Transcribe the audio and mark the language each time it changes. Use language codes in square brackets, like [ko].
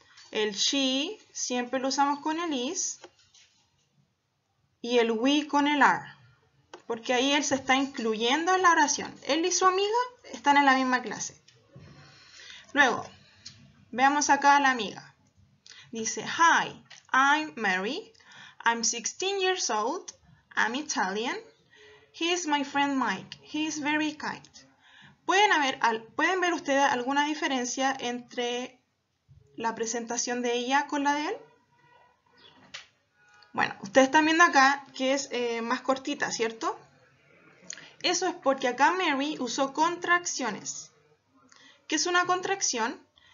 [es] El she siempre lo usamos con el is. Y el we con el are, porque ahí él se está incluyendo en la oración. Él y su amiga están en la misma clase. Luego, veamos acá a la amiga. Dice, [en] hi, I'm Mary, I'm 16 years old, I'm Italian, he is my friend Mike, he is very kind. [es] ¿Pueden ver ustedes alguna diferencia entre la presentación de ella con la de él? Bueno, ustedes están viendo acá que es más cortita, ¿cierto? Eso es porque acá Mary usó contracciones. ¿Qué es una contracción?